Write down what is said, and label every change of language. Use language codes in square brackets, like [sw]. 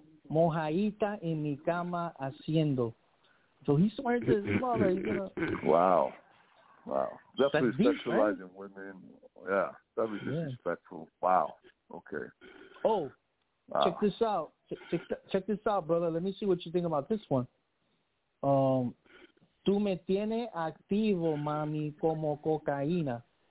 [es] Mojaita en mi cama haciendo. [en] So he swears to his mother. Wow. Definitely sexualizing women. Yeah, that was disrespectful. Yeah. Wow. Okay. Oh, wow. Check this out. Check this out, brother. Let me see what you think about this one. [es] Tú me tienes activo, mami, como cocaína.